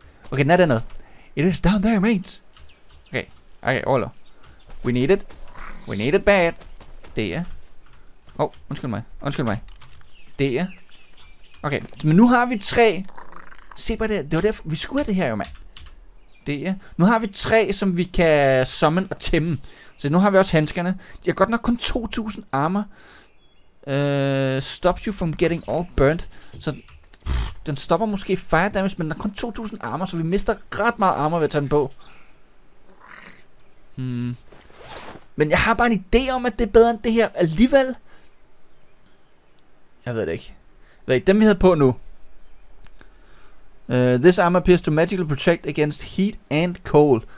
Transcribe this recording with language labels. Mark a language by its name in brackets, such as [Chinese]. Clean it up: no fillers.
[Danish] Okay, den er dernede. [English] It is down there, mate. [Danish] Okay. Okay, overlov. [English] We need it. We need it bad. [Danish] Det er... undskyld mig. Undskyld mig. Det er... Okay, men nu har vi tre... Se bare der. Det var derfor... Vi skulle have det her jo, mand. Det er. Nu har vi tre, som vi kan summon og tæmme. Så nu har vi også handskerne. De har godt nok kun 2000 armor. [English] Stops you from getting all burnt. [Danish] Så den stopper måske fire damage, men der er kun 2000 armor, så vi mister ret meget armor ved at tage den på. Men jeg har bare en idé om, at det er bedre end det her alligevel. Jeg ved det ikke. Ved ikke, dem vi havde på nu. [English] This armor appears to magically protect against heat and cold.